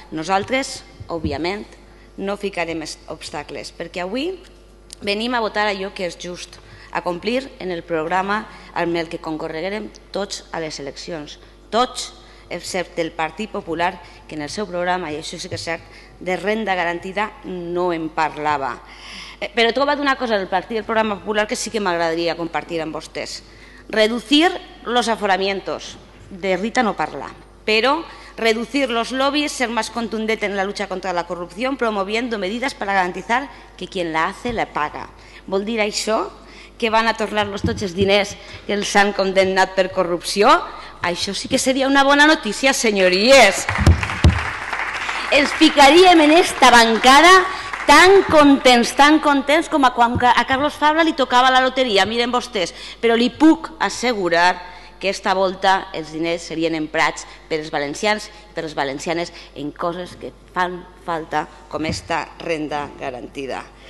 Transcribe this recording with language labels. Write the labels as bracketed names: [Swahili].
[Catalan] Nosaltres, òbviament, no ficarem obstacles, perquè avui venim a votar allò que és just, a complir en el programa amb el que concorregarem tots a les eleccions, tots, excepte el Partit Popular, que en el seu programa, i això sí que és cert, de renda garantida no en parlava. Però he trobat una cosa del Partit del Programa Popular que sí que m'agradaria compartir amb vostès. [Spanish] Reducir los aforamientos. [Catalan] De Rita no parla, però [Spanish] reducir los lobbies, ser más contundente en la lucha contra la corrupción, promoviendo medidas para garantizar que quien la hace la paga. [Catalan] Vol dir això? Que van a tornar los toches diners que els han condemnat per corrupció? Això sí que seria una bona notícia, senyories. Ens ficaríem en esta bancada tan contents com a quan a Carlos Fabra li tocava la loteria, miren vostès, però li puc assegurar que aquesta volta els diners serien emprats per als valencians i per les valencianes en coses que fan falta com aquesta renda garantida.